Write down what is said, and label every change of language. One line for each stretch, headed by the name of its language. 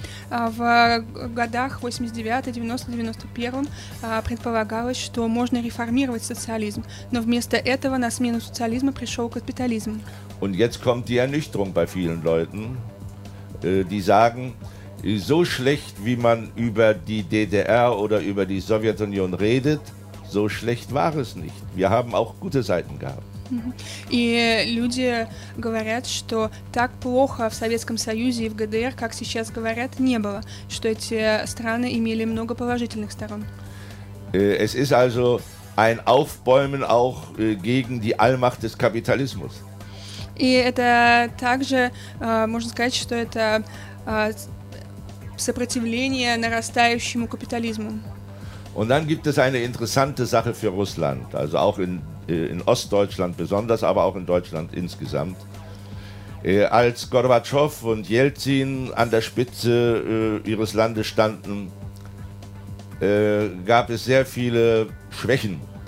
Russian: В годах 89-90-91 предполагалось, что можно реформировать социализм, но вместо этого на смену социализма пришел капитализм.
German: Und jetzt kommt die Ernüchterung bei vielen Leuten, die sagen, so schlecht, wie man über die DDR oder über die Sowjetunion redet, so schlecht war es nicht. Wir haben auch gute Seiten gehabt.
Russian: И люди говорят, что так плохо в Советском Союзе и в ГДР, как сейчас говорят, не было, что эти страны имели много положительных сторон.
German: Es ist also ein Aufbäumen auch gegen die Allmacht des Kapitalismus.
Russian: И это также, можно сказать, что это сопротивление нарастающему капитализму.
German: Und dann gibt es eine interessante Sache für Russland, also auch in Ostdeutschland besonders, aber auch in Deutschland insgesamt. Als Gorbatschow und Jelzin an der Spitze ihres Landes standen, gab es sehr viele Schwächen.